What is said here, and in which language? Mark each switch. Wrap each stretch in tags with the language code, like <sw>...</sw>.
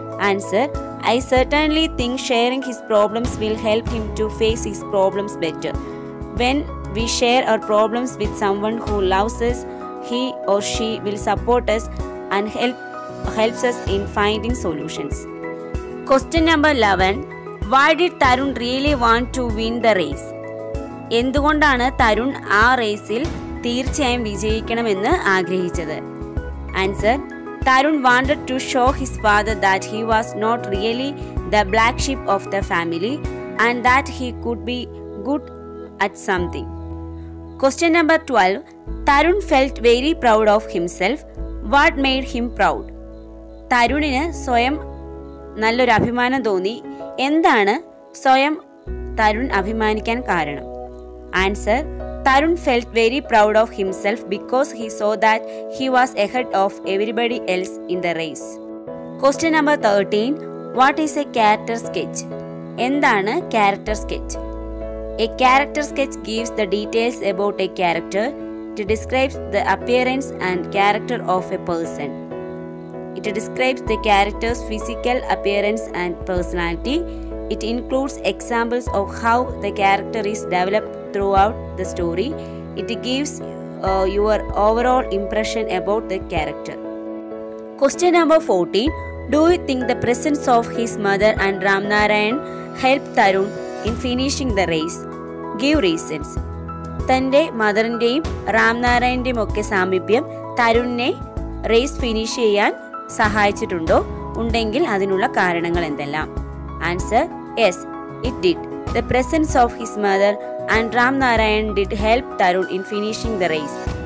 <en>Answer: I certainly think sharing his problems will help him to face his problems better. When we share our problems with someone who loves us, he or she will support us and helps us in finding solutions. Question number 11, Why did Tarun really want to win the race?</en> <ml>എന്തുകൊണ്ടാണ് തരുൺ ആ റേസിൽ തീർച്ചയായും വിജയിക്കണമെന്ന് ആഗ്രഹിച്ചത്?</ml> <en>Answer: Tarun wanted to show his father that he was not really the black sheep of the family and that he could be good at something. Question number 12. Tarun felt very proud of himself. What made him proud?</en> <ml>തരുണിന് സ്വയം നല്ലൊരു അഭിമാനം തോന്നി. എന്താണ് സ്വയം തരുൺ അഭിമാനിക്കാൻ കാരണം?</ml> <en>Answer: Tarun felt very proud of himself because he saw that he was ahead of everybody else in the race. Question number 13. What is a character sketch?</en> <ml>എന്താണ് character sketch?</ml> <en>A character sketch gives the details about a character to describe the appearance and character of a person. It describes the character's physical appearance and personality. It includes examples of how the character is developed throughout the story. It gives your overall impression about the character. Question number 14. Do you think the presence of his mother and Ram Narayan helped Tarun in finishing the race? Give reasons.</en> <ml>തന്റെ മദറിന്റെയും റാം നാരായണന്റെയും ഒക്കെ സാമീപ്യം തരുണിനെ raise finish ചെയ്യാൻ സഹായിച്ചിട്ടുണ്ടോ? ഉണ്ടെങ്കിൽ അതിനുള്ള കാരണങ്ങൾ എന്തെല്ലാം?</ml> <en>Answer: yes, it did. The presence of his mother and Ram Narayan did help Tarun in finishing the race.</en>